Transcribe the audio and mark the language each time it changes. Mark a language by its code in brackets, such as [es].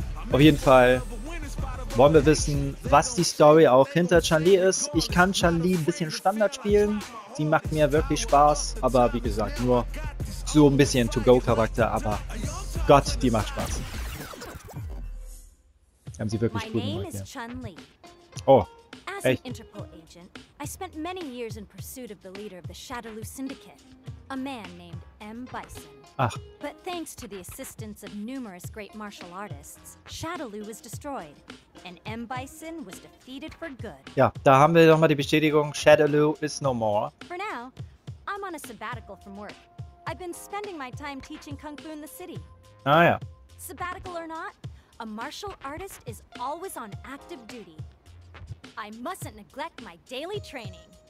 [de] Auf jeden Fall wollen wir wissen, was die Story auch hinter Chun-Li ist. Ich kann Chun-Li ein bisschen Standard spielen. Sie macht mir wirklich Spaß. Aber wie gesagt, nur so ein bisschen To-Go-Charakter. Aber Gott, die macht Spaß. Haben sie wirklich cool gemacht, ja. Chun-Li. Oh. [en] As an Interpol agent, I spent many years in pursuit of the leader of the Shadaloo Syndicate, a man named M. Bison. Ach. But thanks to the assistance of numerous great martial artists, Shadaloo was destroyed, and M. Bison was defeated for good. [de] Ja, da haben wir nochmal die Bestätigung, [en] Shadaloo is no more. For now, I'm on a sabbatical from work. I've been spending my time teaching Kung Fu in the city. Ah ja. Sabbatical or not, a martial artist is always on active duty. I mustn't neglect my daily training.